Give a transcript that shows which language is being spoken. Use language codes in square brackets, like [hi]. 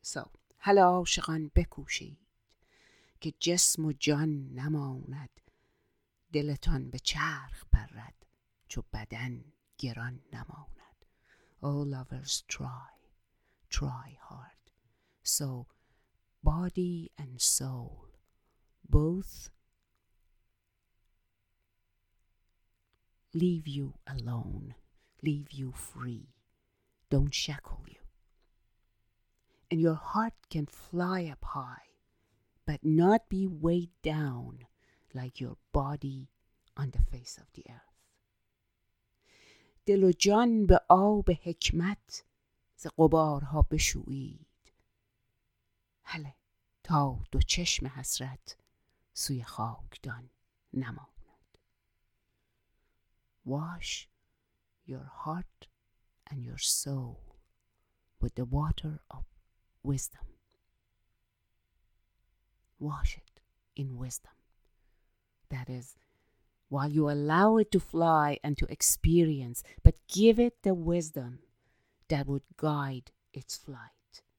[fa] So, هلا عاشقان بکوشید که جسم و جان نماند, دلتان به چرخ پرد چو بدن گران نماند. [en] Oh lovers, try hard so body and soul both leave you alone, leave you free, don't shackle you. And your heart can fly up high, but not be weighed down like your body on the face of the earth. [fa] دل و جان به آب حکمت ز قبارها بشویید, هله تا دو چشم حسرت سوی خاکدان نماند. [en] Wash your heart and your soul with the water of wisdom. Wash it in wisdom. That is, while you allow it to fly and to experience, but give it the wisdom that would guide its flight.